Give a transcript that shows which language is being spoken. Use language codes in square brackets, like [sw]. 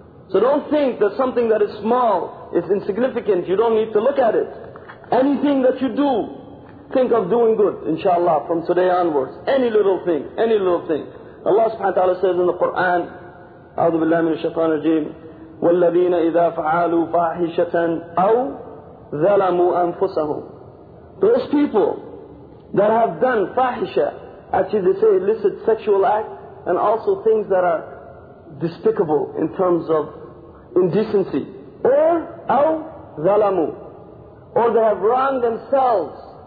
[en] So don't think that something that is small is insignificant, you don't need to look at it. Anything that you do, think of doing good, inshallah, from today onwards. Any little thing. Allah subhanahu wa ta'ala says in the Qur'an, [ar] أعوذ بالله من الشيطان الرجيم, والذين إذا فعلوا فاحشة أو ظلموا أنفسهم. [en] Those people that have done fahisha, actually they say illicit sexual act, and also things that are despicable in terms of indecency, or [ar] أو ظلموا, [en] or they have wronged themselves.